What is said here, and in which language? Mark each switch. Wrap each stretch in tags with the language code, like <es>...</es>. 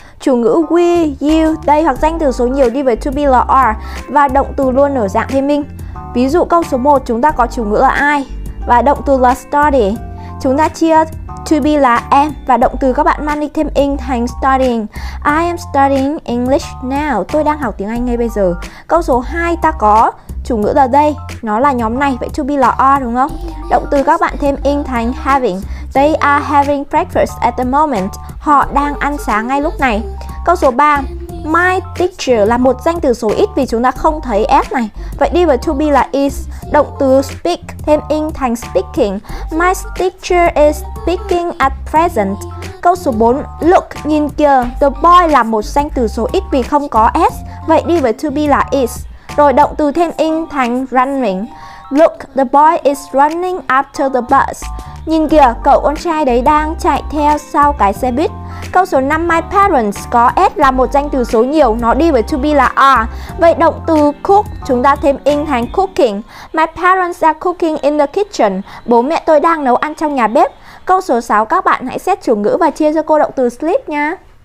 <vi>Chủ ngữ we, you, they hoặc danh từ số nhiều đi với to be là are. Và động từ luôn ở dạng thêm minh. Ví dụ câu số 1 chúng ta có chủ ngữ là I và động từ là study. Chúng ta chia to be là am và động từ các bạn mang đi thêm ing thành studying.</vi> <en>I am studying English now.</en> <vi>Tôi đang học tiếng Anh ngay bây giờ. Câu số 2 ta có chủ ngữ là they, nó là nhóm này, vậy to be là are đúng không? Động từ các bạn thêm ing thành having.</vi> <en>They are having breakfast at the moment.</en> <vi>Họ đang ăn sáng ngay lúc này. Câu số 3, my teacher là một danh từ số ít vì chúng ta không thấy s này. Vậy đi với to be là is. Động từ speak thêm ing thành speaking.</vi> <en>My teacher is speaking at present.</en> <vi>Câu số 4, look, nhìn kìa. The boy là một danh từ số ít vì không có s. Vậy đi với to be là is. Rồi động từ thêm ing thành running.</vi> <en>Look, the boy is running after the bus.</en> <vi>Nhìn kìa, cậu con trai đấy đang chạy theo sau cái xe buýt. Câu số 5, my parents có s là một danh từ số nhiều, nó đi với to be là are. Vậy động từ cook chúng ta thêm ing thành cooking.</vi> <en>My parents are cooking in the kitchen.</en> <vi>Bố mẹ tôi đang nấu ăn trong nhà bếp. Câu số 6, các bạn hãy xét chủ ngữ và chia cho cô động từ sleep nha.</vi>